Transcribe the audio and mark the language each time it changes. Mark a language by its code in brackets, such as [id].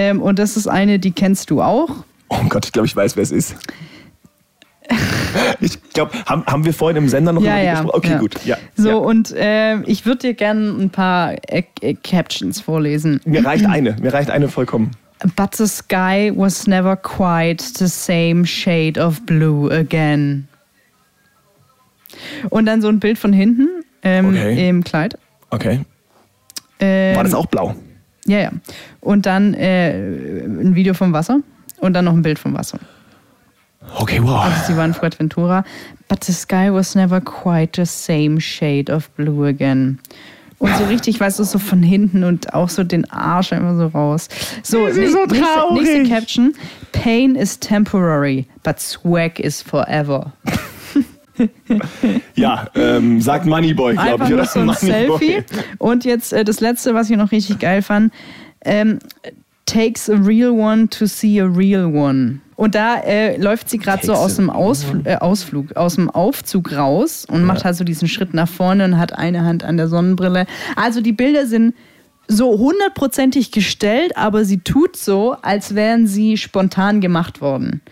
[de] Und das ist eine, die kennst du auch. Oh Gott, ich glaube, ich weiß, wer es ist. Ich glaube, haben wir vorhin im Sender noch über die gesprochen? Okay, gut. Ja. So, und ich würde dir gerne ein paar Captions vorlesen. Mir reicht eine vollkommen. [en] But the sky was never quite the same shade of blue again. [de] Und dann so ein Bild von hinten im Kleid. Okay. War das auch blau? Ja, ja. Und dann ein Video vom Wasser und dann noch ein Bild vom Wasser. Okay, wow. Also sie waren in Fuerteventura. [en] But the sky was never quite the same shade of blue again. [de] Und so richtig, weißt du, so von hinten und auch so den Arsch immer so raus. So, sie ist so traurig. Nächste Caption. [en] Pain is temporary, but swag is forever. [de] Ja, sagt Moneyboy, glaube ich. Einfach nur so ein Selfie. Und jetzt das Letzte, was ich noch richtig geil fand. [en] Takes a real one to see a real one. [de] Und da läuft sie gerade so aus dem Ausflug, aus dem Aufzug raus und macht halt so diesen Schritt nach vorne und hat eine Hand an der Sonnenbrille. Also die Bilder sind so hundertprozentig gestellt, aber sie tut so, als wären sie spontan gemacht worden.